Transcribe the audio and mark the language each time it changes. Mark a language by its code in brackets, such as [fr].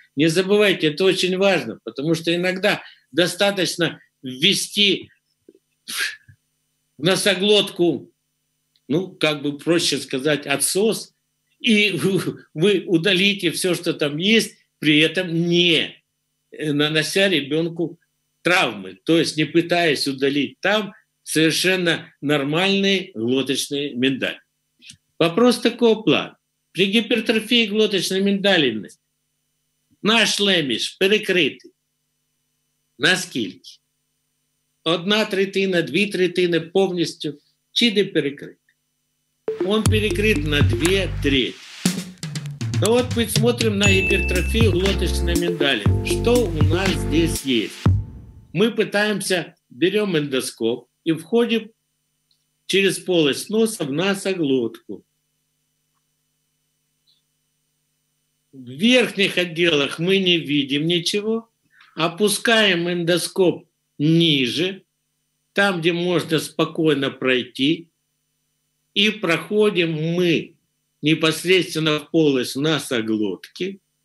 [ru] Не забывайте, это очень важно, потому что иногда достаточно ввести в носоглотку, ну, как бы проще сказать, отсос, и вы удалите все, что там есть, при этом не нанося ребенку травмы, то есть не пытаясь удалить там совершенно нормальные глоточные миндалины. Вопрос такого плана. При гипертрофии глоточной миндалины наш лемиш перекритий. [uk] Наскільки? Одна третина, дві третини повністю чи не перекритий? [ru] Он перекрит [uk] на дві треті. Ну от ми дивимося на гіпертрофію глоточної міндалини. Що у нас тут є? Ми намагаємося, беремо ендоскоп і входимо через полость носа в носоглотку. [ru] В верхних отделах мы не видим ничего. Опускаем эндоскоп ниже, там, где можно спокойно пройти. И проходим мы непосредственно в полость носоглотки.